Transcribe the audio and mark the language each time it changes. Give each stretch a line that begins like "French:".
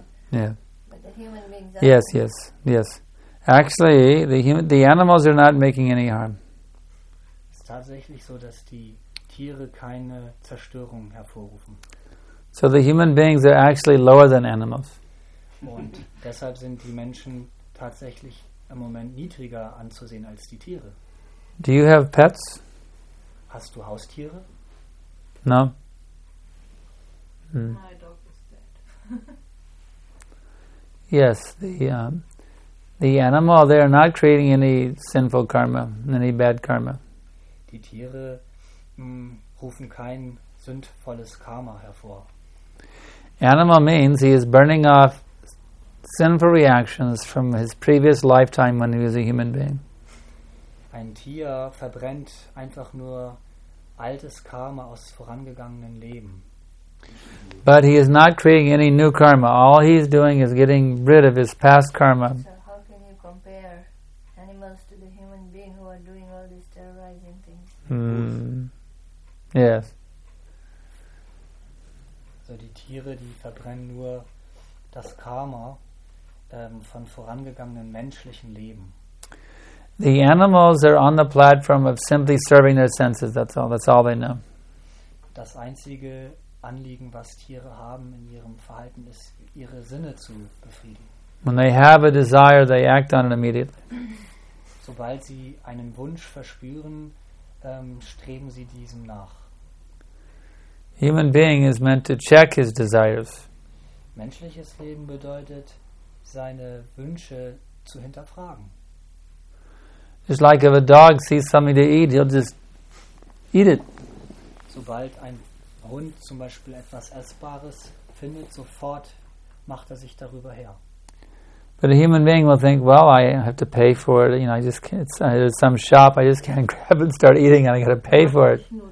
English: yeah. But the human beings are. Yes, yes, yes. Actually, the animals are not making any harm. It's
German: tatsächlich so, dass die Tiere keine Zerstörung hervorrufen.
English: So the human beings are actually lower than animals.
German: Und deshalb sind die Menschen tatsächlich im Moment niedriger anzusehen als die Tiere.
English: Do you have pets?
German: Hast du Haustiere?
English: No. Hm. My dog is dead. Yes, the animal, they are not creating any sinful karma, any bad karma.
German: die Tiere rufen kein sinnvolles Karma hervor.
English: Animal means he is burning off sinful reactions from his previous lifetime when he was a human being.
German: Ein Tier verbrennt einfach nur altes Karma aus vorangegangenen Leben.
English: But he is not creating any new karma. All he is doing is getting rid of his past karma. So how can you compare animals to the human being who are doing all these terrorizing things? Yes.
German: So die Tiere, die verbrennen nur das Karma von vorangegangenen menschlichen Leben.
English: The animals are on the platform of simply serving their senses. That's all they know.
German: Das einzige Anliegen, was Tiere haben in ihrem Verhalten, ist, ihre Sinne zu befriedigen.
English: When they have a desire, they act on it immediately.
German: Sobald sie einen Wunsch verspüren, streben sie diesem nach.
English: Human being is meant to check his desires.
German: Menschliches Leben bedeutet, seine Wünsche zu hinterfragen.
English: It's like if a dog sees something to eat, he'll just eat it.
German: Sobald ein Hund zum Beispiel etwas Essbares findet, sofort macht er sich darüber her.
English: But a human being will think, well, I have to pay for it. You know, I just can't, there's some shop, I just can't grab and start eating and I got to pay for it.